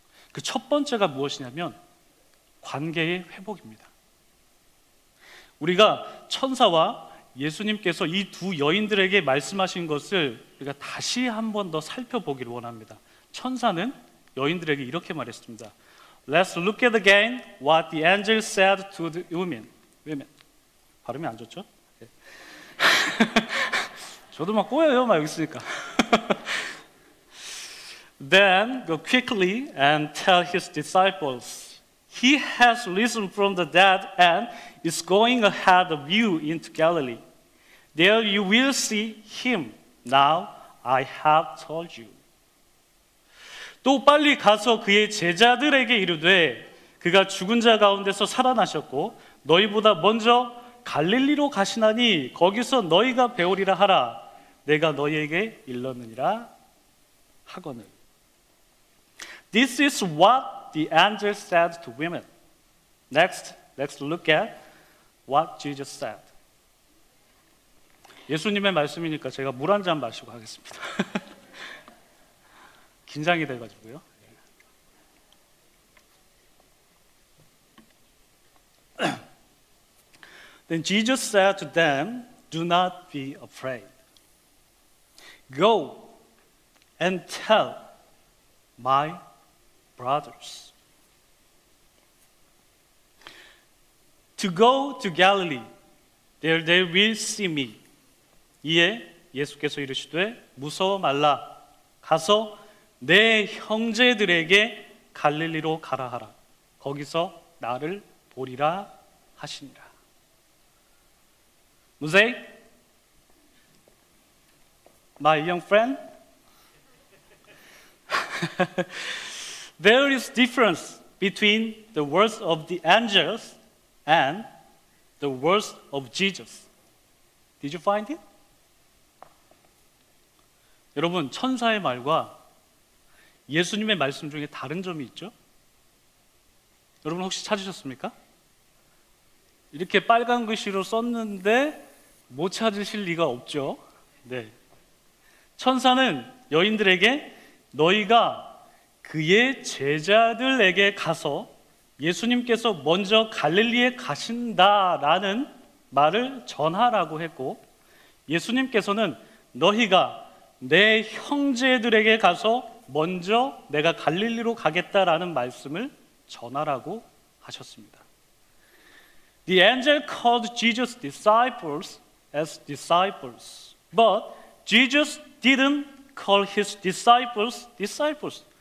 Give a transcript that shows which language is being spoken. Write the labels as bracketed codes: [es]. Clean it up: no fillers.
[ko] 그 첫 번째가 무엇이냐면 관계의 회복입니다. 우리가 천사와 예수님께서 이 두 여인들에게 말씀하신 것을 우리가 다시 한 번 더 살펴보기를 원합니다. 천사는 여인들에게 이렇게 말했습니다. [en] Let's look at again what the angel said to the women. [ko] 왜냐면 발음이 안 좋죠? 네. 저도 막 꼬여요, 막 여기 있으니까. [en] Then go quickly and tell his disciples. He has risen from the dead and is going ahead of you into Galilee. There you will see him. Now I have told you. [ko] 또 빨리 가서 그의 제자들에게 이르되 그가 죽은 자 가운데서 살아나셨고 너희보다 먼저 갈릴리로 가시나니 거기서 너희가 배우리라 하라. 내가 너희에게 일렀느니라 하거늘. [en] This is what the angel said to women. Next, look at what Jesus said. [ko] 예수님의 말씀이니까 제가 물 한 잔 마시고 하겠습니다. 긴장이 돼가지고요. 네. [en] Then Jesus said to them, Do not be afraid. Go and tell my brothers. To go to Galilee, there they will see me. [ko] 이에 예수께서 이르시되 무서워 말라 가서 내 형제들에게 갈릴리로 가라 하라 거기서 나를 보리라 하시니라. [en] 무세, my young friend. There is difference between the words of the angels and the words of Jesus. Did you find it? [ko] 여러분, 천사의 말과 예수님의 말씀 중에 다른 점이 있죠? 여러분 혹시 찾으셨습니까? 이렇게 빨간 글씨로 썼는데 못 찾으실 리가 없죠? 네. 천사는 여인들에게 너희가 그의 제자들에게 가서 예수님께서 먼저 갈릴리에 가신다라는 말을 전하라고 했고 예수님께서는 너희가 내 형제들에게 가서 먼저 내가 갈릴리로 가겠다라는 말씀을 전하라고 하셨습니다. [en] The angel called Jesus' disciples as disciples, but Jesus didn't call his disciples disciples.